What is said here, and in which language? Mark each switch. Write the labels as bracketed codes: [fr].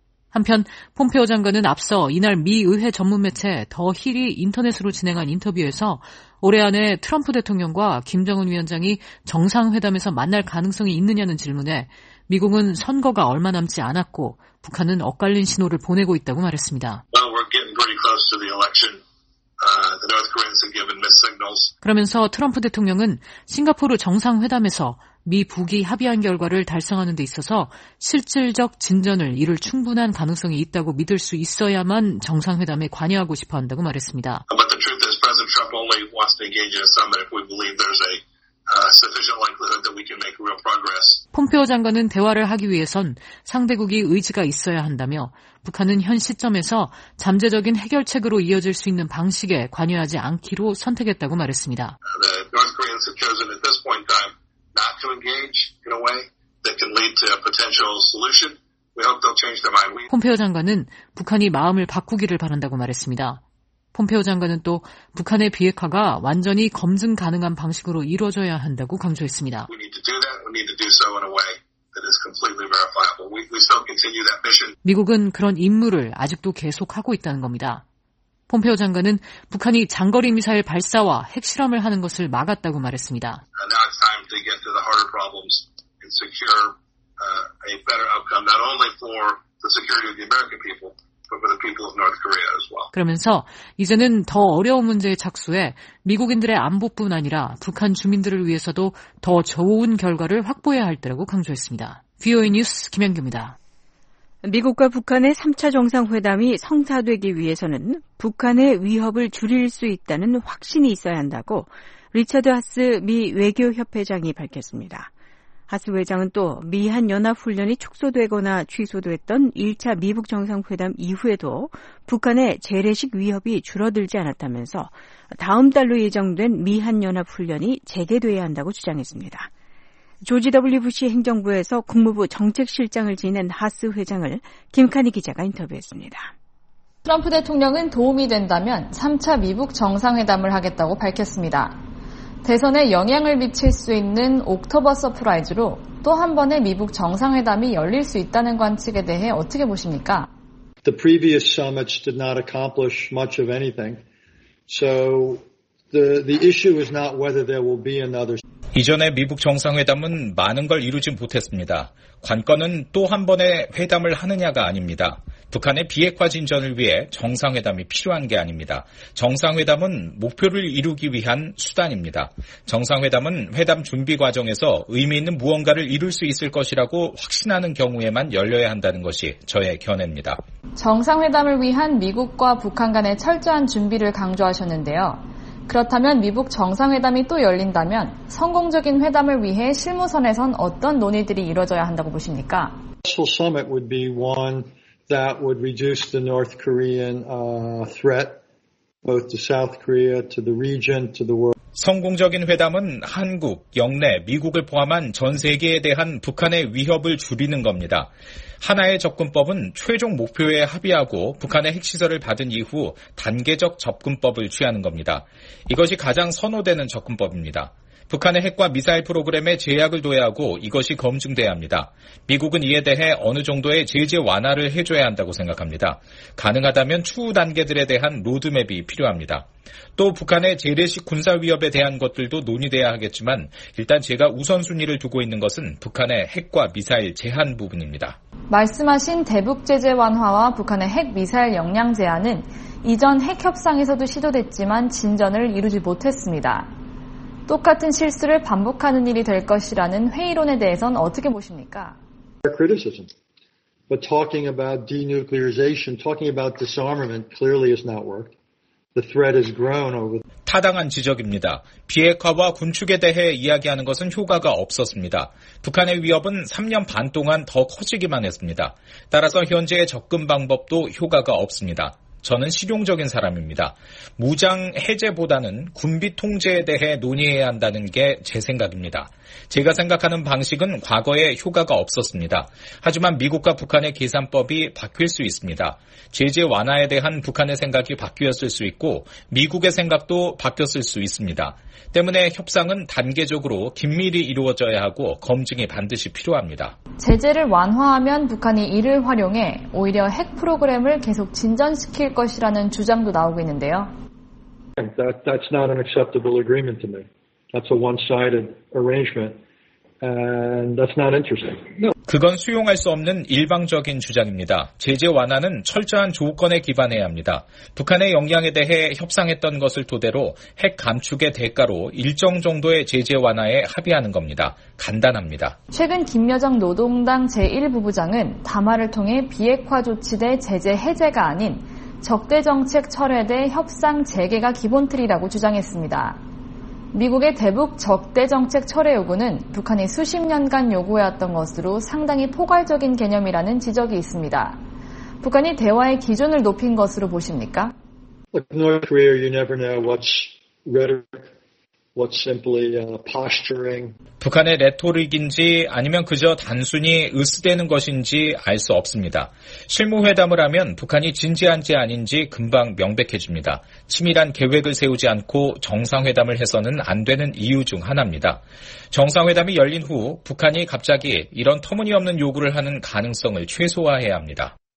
[ko] 한편 폼페오 장관은 앞서 이날 미 의회 전문 매체 더 힐이 인터넷으로 진행한 인터뷰에서 올해 안에 트럼프 대통령과 김정은 위원장이 정상회담에서 만날 가능성이 있느냐는 질문에 미국은 선거가 얼마 남지 않았고 북한은 엇갈린 신호를 보내고 있다고 말했습니다. [en] Well, we're getting pretty close to the election. The North Koreans have given mixed signals. [ko] 그러면서 트럼프 대통령은 싱가포르 정상회담에서 미 북이 합의한 결과를 달성하는 데 있어서 실질적 진전을 이룰 충분한 가능성이 있다고 믿을 수 있어야만 정상회담에 관여하고 싶어 한다고 말했습니다. [en] But the truth is President Trump only wants to engage in a summit if we believe there's a sufficient likelihood that we can make real progress. [ko] 폼페오 장관은 대화를 하기 위해선 상대국이 의지가 있어야 한다며 북한은 현 시점에서 잠재적인 해결책으로 이어질 수 있는 방식에 관여하지 않기로 선택했다고 말했습니다. [en] The North Koreans have chosen at this point in time not to engage in a way that can lead to a potential solution. We hope they'll change their mind. [ko] 폼페오 장관은 북한이 마음을 바꾸기를 바란다고 말했습니다. 폼페오 장관은 또 북한의 비핵화가 완전히 검증 가능한 방식으로 이루어져야 한다고 강조했습니다. [en] We need to do that. We need to do so in a way that is completely verifiable. We still continue that mission. [ko] 미국은 그런 임무를 아직도 계속하고 있다는 겁니다. 폼페오 장관은 북한이 장거리 미사일 발사와 핵실험을 하는 것을 막았다고 말했습니다. [en] Now it's time to get to the harder problems and secure a better outcome, not only for the security of the American people, but for the people of North Korea as well. [ko] 그러면서 이제는 더 어려운 문제에 착수해 미국인들의 안보뿐 아니라 북한 주민들을 위해서도 더 좋은 결과를 확보해야 할 때라고 강조했습니다. VOA 뉴스 김현규입니다. 미국과 북한의 3차 정상회담이 성사되기 위해서는 북한의 위협을 줄일 수 있다는 확신이 있어야 한다고 리처드 하스 미 외교협회장이 밝혔습니다. 하스 회장은 또 미한 연합훈련이 축소되거나 취소됐던 1차 미북 정상회담 이후에도 북한의 재래식 위협이 줄어들지 않았다면서 다음 달로 예정된 미한 연합훈련이 재개돼야 한다고 주장했습니다. 조지 W. 부시 행정부에서 국무부 정책실장을 지낸 하스 회장을 김카니 기자가 인터뷰했습니다. 트럼프 대통령은 도움이 된다면 3차 미북 정상회담을 하겠다고 밝혔습니다. 대선에 영향을 미칠 수 있는 옥토버 서프라이즈로 또 한 번의 미북 정상회담이 열릴 수 있다는 관측에 대해 어떻게 보십니까? [en] The previous summits did not accomplish much of anything. So the issue is not whether there will be another. [ko] 이전의 미북 정상회담은 많은 걸 이루지 못했습니다. 관건은 또 한 번의 회담을 하느냐가 아닙니다. 북한의 비핵화 진전을 위해 정상회담이 필요한 게 아닙니다. 정상회담은 목표를 이루기 위한 수단입니다. 정상회담은 회담 준비 과정에서 의미 있는 무언가를 이룰 수 있을 것이라고 확신하는 경우에만 열려야 한다는 것이 저의 견해입니다. 정상회담을 위한 미국과 북한 간의 철저한 준비를 강조하셨는데요. 그렇다면 미북 정상회담이 또 열린다면 성공적인 회담을 위해 실무선에선 어떤 논의들이 이루어져야 한다고 보십니까? [en] Summit would be one that would reduce the North Korean threat both to South Korea, to the region, to the world. [ko] 성공적인 회담은 한국, 영내, 미국을 포함한 전 세계에 대한 북한의 위협을 줄이는 겁니다. 하나의 접근법은 최종 목표에 합의하고 북한의 핵시설을 받은 이후 단계적 접근법을 취하는 겁니다. 이것이 가장 선호되는 접근법입니다. 북한의 핵과 미사일 프로그램에 제약을 둬야 하고 이것이 검증돼야 합니다. 미국은 이에 대해 어느 정도의 제재 완화를 해줘야 한다고 생각합니다. 가능하다면 추후 단계들에 대한 로드맵이 필요합니다. 또 북한의 재래식 군사 위협에 대한 것들도 논의돼야 하겠지만 일단 제가 우선순위를 두고 있는 것은 북한의 핵과 미사일 제한 부분입니다. 말씀하신 대북 제재 완화와 북한의 핵 미사일 역량 제한은 이전 핵 협상에서도 시도됐지만 진전을 이루지 못했습니다. 똑같은 실수를 반복하는 일이 될 것이라는 회의론에 대해선 어떻게 보십니까? [en] Criticism. But talking about denuclearization, talking about disarmament clearly has not worked. The threat has grown over. [ko] 타당한 지적입니다. 비핵화와 군축에 대해 이야기하는 것은 효과가 없었습니다. 북한의 위협은 3년 반 동안 더 커지기만 했습니다. 따라서 현재의 접근 방법도 효과가 없습니다. 저는 실용적인 사람입니다. 무장 해제보다는 군비 통제에 대해 논의해야 한다는 게 제 생각입니다. 제가 생각하는 방식은 과거에 효과가 없었습니다. 하지만 미국과 북한의 계산법이 바뀔 수 있습니다. 제재 완화에 대한 북한의 생각이 바뀌었을 수 있고 미국의 생각도 바뀌었을 수 있습니다. 때문에 협상은 단계적으로 긴밀히 이루어져야 하고 검증이 반드시 필요합니다. 제재를 완화하면 북한이 이를 활용해 오히려 핵 프로그램을 계속 진전시킬 것이라는 주장도 나오고 있는데요. [en] That's not an acceptable agreement to me. That's a one-sided arrangement, and that's not interesting. No. [ko] 그건 수용할 수 없는 일방적인 주장입니다. 제재 완화는 철저한 조건에 기반해야 합니다. 북한의 역량에 대해 협상했던 것을 토대로 핵 감축의 대가로 일정 정도의 제재 완화에 합의하는 겁니다. 간단합니다. 최근 김여정 노동당 제1부부장은 담화를 통해 비핵화 조치 대 제재 해제가 아닌 적대 정책 철회 대 협상 재개가 기본 틀이라고 주장했습니다. 미국의 대북 적대 정책 철회 요구는 북한이 수십 년간 요구해왔던 것으로 상당히 포괄적인 개념이라는 지적이 있습니다. 북한이 대화의 기준을 높인 것으로 보십니까? [en] North Korea, you never know what's rhetoric, what's simply posturing. [ko] 북한의 레토릭인지 아니면 그저 단순히 으스대는 것인지 알 수 없습니다. 실무회담을 하면 북한이 진지한지 아닌지 금방 명백해집니다. 치밀한 계획을 세우지 않고 정상회담을 해서는 안 되는 이유 중 하나입니다. 정상회담이 열린 후 북한이 갑자기 이런 터무니없는 요구를 하는 가능성을 최소화해야 합니다.